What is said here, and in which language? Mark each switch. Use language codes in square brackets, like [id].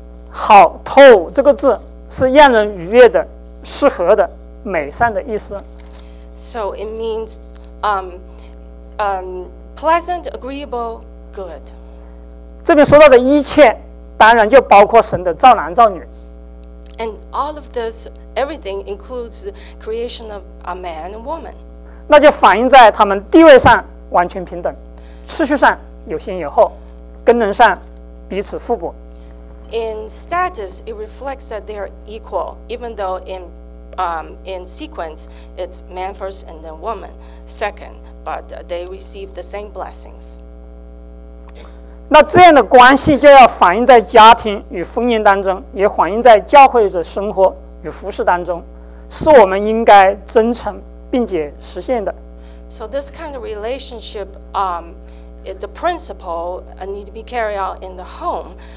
[zh] 好透这个字是让人愉悦的、适合的、美善的意思。 [en] So it means pleasant, agreeable. Good. [zh] 这边说到的一切，当然就包括神的造男造女。 [en] And all of this, everything includes the creation of a man and woman. [zh] 那就反映在他们地位上完全平等，次序上有先有后，功能上彼此互补。 [en] In status, it reflects that they are equal, even though in sequence, it's man first and then woman second, but they receive the same blessings. [zh] 那这样的关系就要反映在家庭与婚姻当中，也反映在教会的生活与服事当中，是我们应该真诚并且实现的。 [en] So this kind of relationship, the principle need to be carried out in the home,